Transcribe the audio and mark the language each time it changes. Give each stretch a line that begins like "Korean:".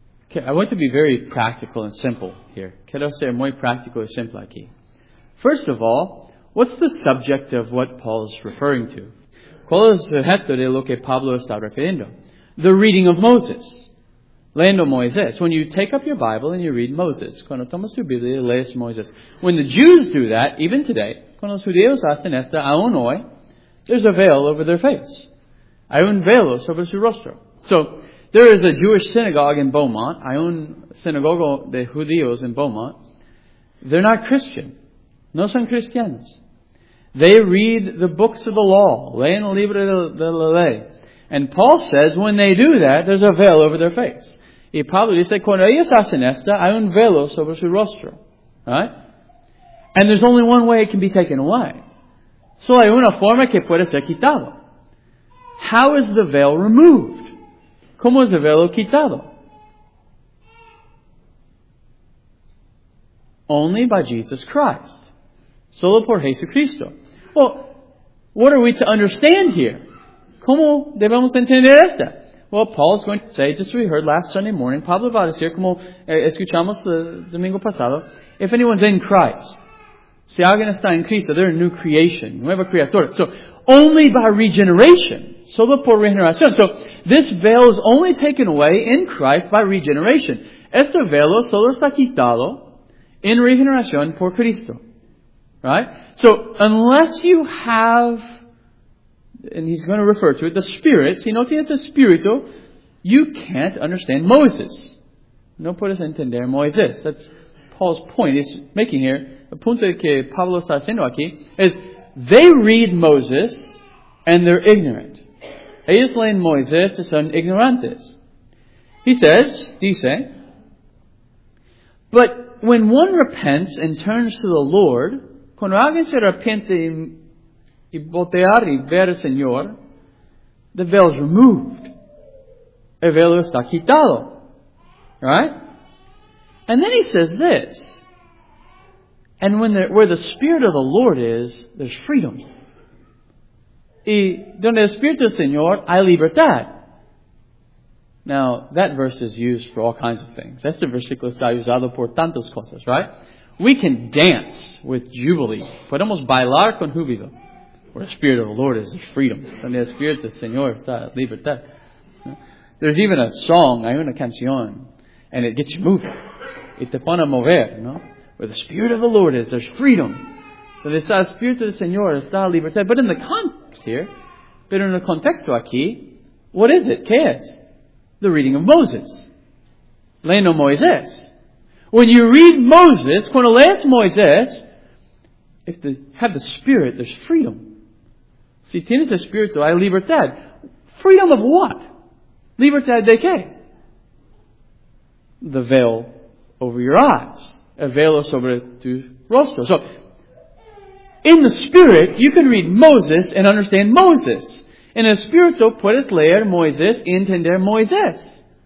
English: Okay, I want to be very practical and simple here.
Spanish: Quiero ser muy práctico y simple aquí.
English: First of all, what's the subject of what Paul's referring to?
Spanish: ¿Cuál es el objeto de lo que Pablo está refiriendo?
English: The reading of Moses.
Spanish: Leyendo Moisés.
English: When you take up your Bible and you read Moses.
Spanish: Cuando tomas tu Biblia y lees Moisés.
English: When the Jews do that, even today,
Spanish: cuando los judíos hacen esto, aún hoy,
English: there's a veil over their face.
Spanish: Hay un velo sobre su rostro.
English: So, there is a Jewish synagogue in Beaumont.
Spanish: Hay un sinagogo de judíos en Beaumont.
English: They're not Christian.
Spanish: No son cristianos.
English: They read the books of the law.
Spanish: Leen el libro de la ley.
English: And Paul says when they do that, there's a veil over their face.
Spanish: Y Pablo dice, cuando ellos hacen esto, hay un velo sobre su rostro.
English: Right? And there's only one way it can be taken away.
Spanish: Solo hay una forma que puede ser quitado.
English: How is the veil removed?
Spanish: ¿Cómo es el velo quitado?
English: Only by Jesus Christ.
Spanish: Solo por Jesucristo.
English: Well, what are we to understand here?
Spanish: ¿Cómo debemos entender esto?
English: Well, Paul is going to say, just as we heard last Sunday morning,
Spanish: Pablo va a decir, como escuchamos el domingo pasado,
English: if anyone's in Christ,
Spanish: si alguien está en Cristo,
English: they're a new creation,
Spanish: nueva criatura.
English: So, only by regeneration.
Spanish: Solo por regeneración.
English: So, this veil is only taken away in Christ by regeneration.
Spanish: Este velo solo está quitado en regeneración por Cristo.
English: Right? So, unless you have, and he's going to refer to it, the Spirit,
Spanish: si no tienes Espíritu,
English: you can't understand Moses.
Spanish: No puedes entender Moisés.
English: That's Paul's point he's making here.
Spanish: El punto que Pablo está haciendo aquí
English: is, they read Moses and they're ignorant.
Spanish: Ellos leen Moisés y son ignorantes. Dice,
English: but when one repents and turns to the Lord,
Spanish: cuando alguien se arrepiente y voltear y ver al Señor,
English: the veil is removed.
Spanish: El velo está quitado.
English: Right? And then he says this, and when where the Spirit of the Lord is, there's freedom.
Spanish: Y donde el Espíritu del Señor, hay libertad.
English: Now, that verse is used for all kinds of things.
Spanish: Este versículo está usado por tantas cosas,
English: right? We can dance with jubilee.
Spanish: Podemos bailar con júbilo.
English: Where the Spirit of the Lord is, there's freedom.
Spanish: Donde el Espíritu del Señor está, libertad.
English: There's even a song,
Spanish: hay una canción,
English: and it gets you moving.
Spanish: Y te pone a mover, no?
English: Where the Spirit of the Lord is, there's freedom. So it's the Spirit of the Señor, it's the libertad. But in the context here,
Spanish: pero en el contexto aquí,
English: what is it?
Spanish: ¿Qué es?
English: The reading of Moses.
Spanish: Leyendo Moisés.
English: When you read Moses,
Spanish: cuando lees Moisés,
English: if you have the Spirit, there's freedom.
Spanish: Si tienes el Espíritu, hay libertad.
English: Freedom of what?
Spanish: Libertad de qué?
English: The veil over your eyes.
Spanish: El velo sobre tu rostro.
English: So, in the Spirit, you can read Moses and understand Moses.
Spanish: En el Espíritu, puedes leer Moisés y entender Moisés.